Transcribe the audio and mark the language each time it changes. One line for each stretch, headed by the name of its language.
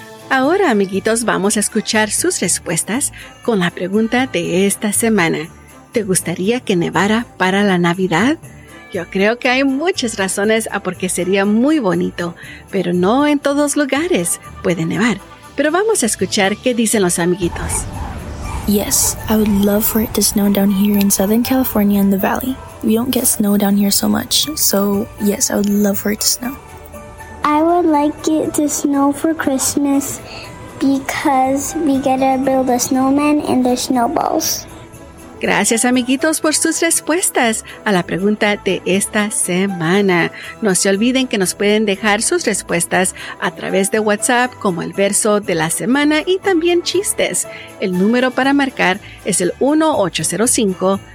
Spanish: Ahora, amiguitos, vamos a escuchar sus respuestas con la pregunta de esta semana. ¿Te gustaría que nevara para la Navidad? Yo creo que hay muchas razones a por qué sería muy bonito, pero no en todos lugares puede nevar. Pero vamos a escuchar qué dicen los amiguitos.
English: Yes, I would love for it to snow down here in Southern California in the valley. We don't get snow down here so much, so yes, I would love for it to snow. I would like it to snow for Christmas because we get to build a snowman and there's snowballs.
Spanish: Gracias, amiguitos, por sus respuestas a la pregunta de esta semana. No se olviden que nos pueden dejar sus respuestas a través de WhatsApp, como el verso de la semana y también chistes. El número para marcar es el 1-805-1-805.